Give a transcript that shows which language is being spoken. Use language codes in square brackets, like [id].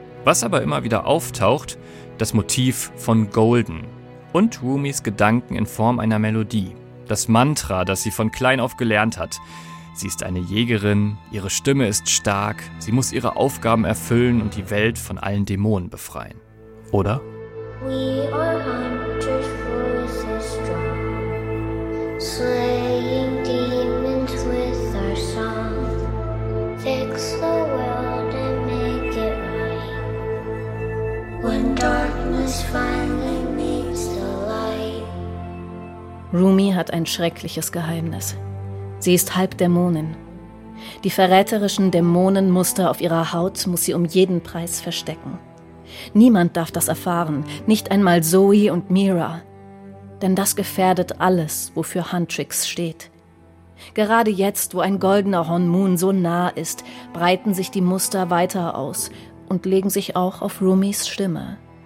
[de] Was aber immer wieder auftaucht, das Motiv von Golden und Rumis Gedanken in Form einer Melodie. Das Mantra, das sie von klein auf gelernt hat. Sie ist eine Jägerin, ihre Stimme ist stark, sie muss ihre Aufgaben erfüllen und die Welt von allen Dämonen befreien. Oder? [en] We are hunters, voices strong, slaying demons with our song. Fix the world and make it right. When darkness finally meets the light. [de] Rumi hat ein schreckliches Geheimnis. Sie ist Halbdämonin. Die verräterischen Dämonenmuster auf ihrer Haut muss sie um jeden Preis verstecken. Niemand darf das erfahren, nicht einmal Zoe und Mira. Denn das gefährdet alles, wofür Huntrix steht. Gerade jetzt, wo ein goldener Hornmoon so nah ist, breiten sich die Muster weiter aus und legen sich auch auf Rumis Stimme.